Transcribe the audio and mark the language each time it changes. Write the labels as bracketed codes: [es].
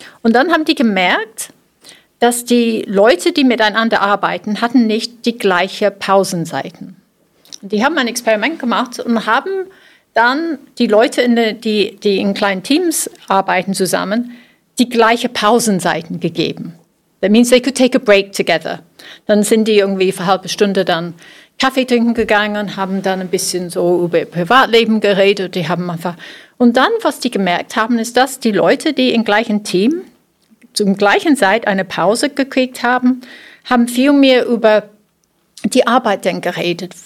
[de] Und dann haben die gemerkt, dass die Leute, die miteinander arbeiten, hatten nicht die gleiche Pausenzeiten. Die haben ein Experiment gemacht und haben dann die Leute, die in kleinen Teams arbeiten zusammen, die gleiche Pausenzeiten gegeben. [en] That means they could take a break together. [de] Dann sind die irgendwie für 1/2 Stunde dann Kaffee trinken gegangen, haben dann ein bisschen so über ihr Privatleben geredet. Die haben einfach und dann, was die gemerkt haben, ist, dass die Leute, die im gleichen Team zum gleichen Zeit eine Pause gekriegt haben, haben viel mehr über die Arbeit dann geredet.